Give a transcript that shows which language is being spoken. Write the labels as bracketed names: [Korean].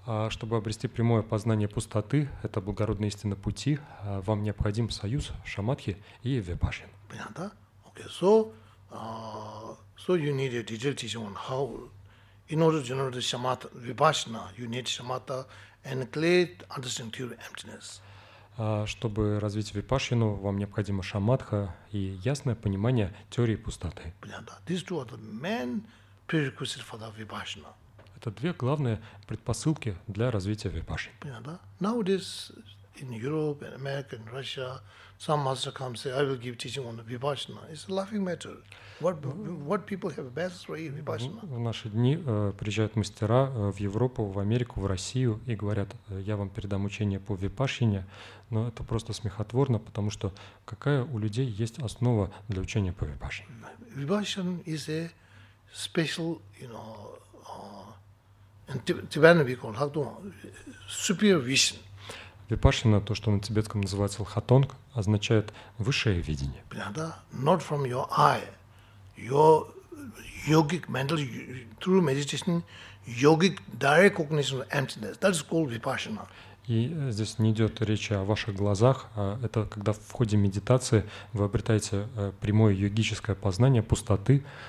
[Russian] Чтобы обрести прямое познание пустоты, это благородная истина пути, вам необходим союз шамадхи и випашин. Понятно? [English] Okay. So you need a detailed teaching on how, in order to generate shamatha vipassana, you need shamatha and clear understanding of emptiness. [Russian] Чтобы развить випашину, вам необходимо шамадха и ясное понимание теории пустоты. Понятно? [English] These two are the main prerequisite for the vipassana. [Russian] Это две главные предпосылки для развития випашины. Понятно, да? [English] Nowadays in Europe, in America, in Russia, some master comes say, I will give teaching on the vipassana. It's a laughing matter. What people have best for vipassana? [Russian] В наши дни приезжают мастера в Европу, в Америку, в Россию и говорят, я вам передам учение по випашине, но это просто смехотворно, потому что какая у людей есть основа для учения по випашине? [English] Vipassana is a special, you know, in Tibetan we call Hakdong, superior vision. [Russian] Випашина, то, что на тибетском называется лхатонг, означает высшее видение. Понятно? [English] Not from your eye. Your yogic mental, through meditation, yogic direct cognition of emptiness. That is called vipassana. [Russian] И здесь не идет речи о ваших глазах, а это когда в ходе медитации вы обретаете прямое йогическое познание пустоты.